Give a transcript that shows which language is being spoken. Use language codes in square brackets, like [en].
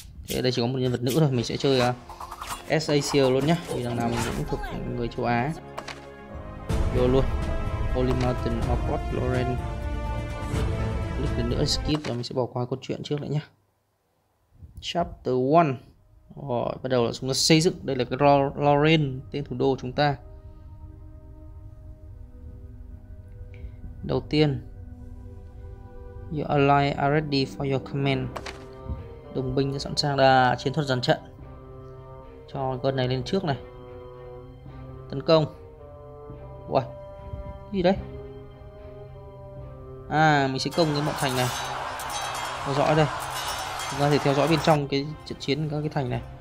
[vi] Thế đây chỉ có một nhân vật nữ thôi, mình sẽ chơi SACL luôn nhá, vì đằng nào mình cũng thuộc người châu Á vô luôn. Holy Mountain Hogwarts Lauren. Lúc nữa skip rồi mình sẽ bỏ qua câu chuyện trước lại nhá. Chapter 1. Rồi, bắt đầu là chúng ta xây dựng. Đây là cái Lauren, tên thủ đô của chúng ta. Đầu tiên, [en] your ally are ready for your command. [vi] Đồng binh đã sẵn sàng ra chiến thuật dàn trận. Cho con này lên trước này. Tấn công. Uầy, gì đấy? Mình sẽ công cái mọi thành này. Theo dõi đây, chúng ta có thể theo dõi bên trong cái trận chiến các cái thành này.